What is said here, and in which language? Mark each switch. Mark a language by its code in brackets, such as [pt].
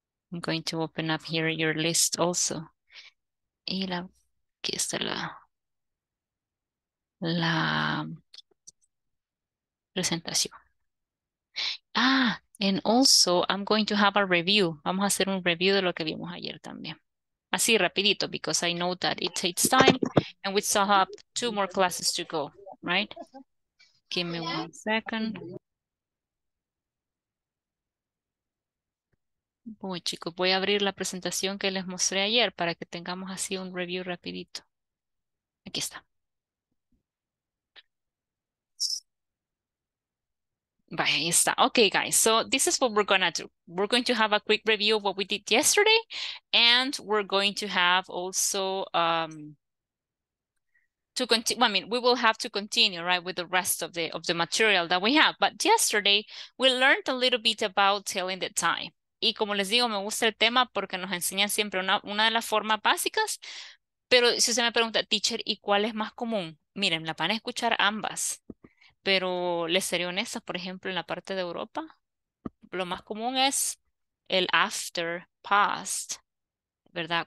[en] I'm going to open up here your list also. [es] Y la, aquí está la, la presentación. [en] Ah, and also I'm going to have a review. [es] Vamos a hacer un review de lo que vimos ayer también. Así rapidito, [en] because I know that it takes time and we still have two more classes to go, right? Give me one second. [es] Bueno, chicos, voy a abrir la presentación que les mostré ayer para que tengamos así un review rapidito. Aquí está. [en] Okay, guys, so this is what we're gonna do. We're going to have a quick review of what we did yesterday, and we're going to have also to continue. I mean, we will have to continue, right, with the rest of the material that we have. But yesterday we learned a little bit about telling the time. [es] Y como les digo, me gusta el tema porque nos enseña siempre una de las formas básicas. Pero si usted me pregunta, teacher, ¿y cuál es más común? Miren, la van a escuchar ambas. Pero les seré honesta, por ejemplo, en la parte de Europa, lo más común es el after, past, ¿verdad?